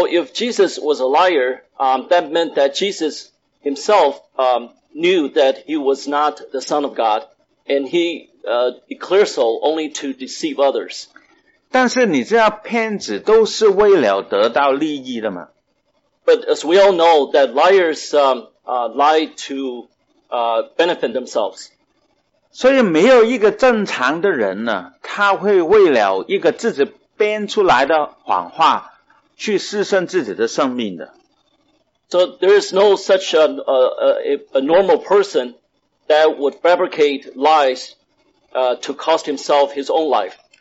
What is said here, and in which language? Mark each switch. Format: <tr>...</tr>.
<en>if Jesus was a liar, that meant that Jesus himself knew that he was not the Son of God, and he declared so only to deceive others.</en> <zh>但是你知道骗子都是为了得到利益的吗？</zh> <en>But as we all know, that liars lie to benefit themselves.</en> <zh>所以没有一个正常的人呢，他会为了一个自己编出来的谎话去牺牲自己的生命的。</zh> <en>So there is no such a normal person that would fabricate lies to cost himself his own life.</en>